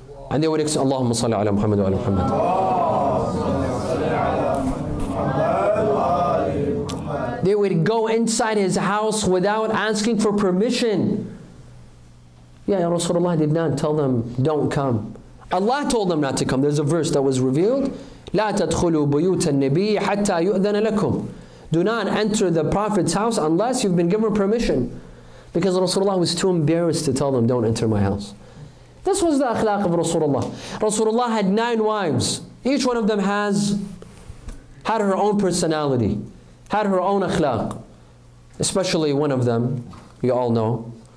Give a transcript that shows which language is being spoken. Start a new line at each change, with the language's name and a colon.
English: And they would say, Allahumma salli ala Muhammad wa ala Muhammad. They would go inside his house without asking for permission. Yeah, Rasulullah did not tell them, don't come. Allah told them not to come. There's a verse that was revealed.
Arabic: لا تدخلوا بيوت النبي حتى يؤذن لكم.
English: Do not enter the Prophet's house unless you've been given permission. Because Rasulullah was too embarrassed to tell them, don't enter my house. This was the akhlaq of Rasulullah. Rasulullah had 9 wives. Each one of them had her own personality, had her own akhlaq. Especially one of them, you all know,